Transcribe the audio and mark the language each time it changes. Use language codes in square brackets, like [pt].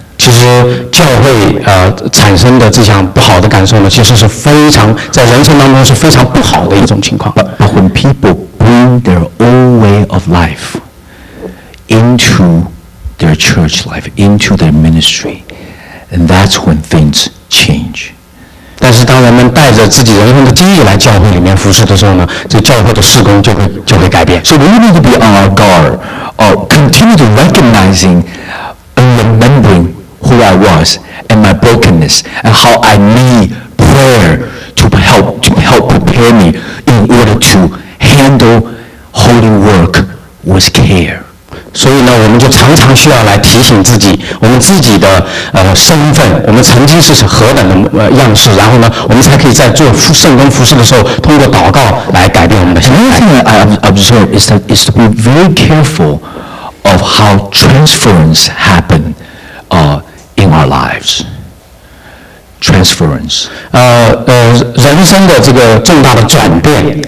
[zh] 其实教会产生的这项不好的感受呢，其实是非常在人生当中是非常不好的一种情况。 [en] But when people bring their own way of life into their church life, into their ministry, and that's when things change. [zh] 但是当人们带着自己人生的经历来教会里面服事的时候呢，这教会的事工就会改变。 [en] So we need to be on our guard, continue to recognizing and remembering who I was and my brokenness and how I need prayer to help prepare me in order to handle holy work with care. [zh] 所以呢，我们就常常需要来提醒自己，我们自己的身份，我们曾经是何等的样式，然后呢，我们才可以在做圣工服事的时候，通过祷告来改变我们的心态。 [en] Another thing I observe is to be very careful of how transference happen, in our lives. Transference. [zh] 人生的这个重大的转变，